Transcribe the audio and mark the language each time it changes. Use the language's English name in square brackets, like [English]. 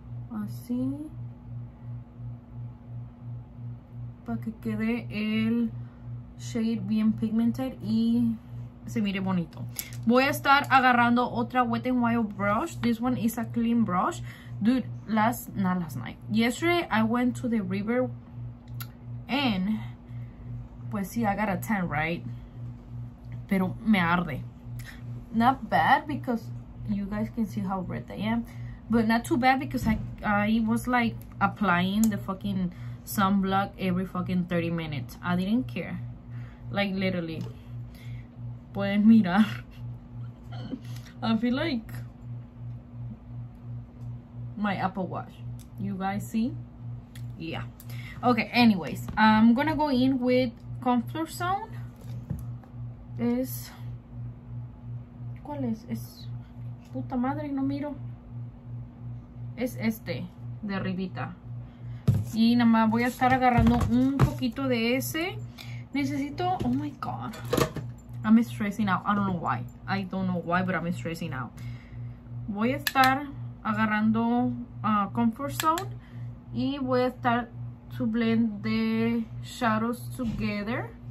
[Spanish] Así, para que quede el shade bien pigmented y se mire bonito. Voy a estar agarrando otra [English] Wet n Wild brush. This one is a clean brush. Dude, yesterday I went to the river and, [Spanish] pues sí, [English] I got a tan, right? [Spanish] Pero me arde. [English] Not bad because you guys can see how red I am. But not too bad because I was like applying the fucking sunblock every fucking 30 minutes. I didn't care. Like literally. [Spanish] Pueden mirar. [English] I feel like my Apple Watch. You guys see? Yeah. Okay, anyways. I'm gonna go in with Comfort Zone. Es. [Spanish] ¿Cuál es? [English] Es. [Spanish] Puta madre, no miro. Es este de arribita. Y nada más voy a estar agarrando un poquito de ese. [English] Necesito. Oh my god. I'm stressing out. I don't know why, but I'm stressing out. [Spanish] Voy a estar agarrando [English] Comfort Zone. [Spanish] Y voy a estar [English] to blend the shadows together.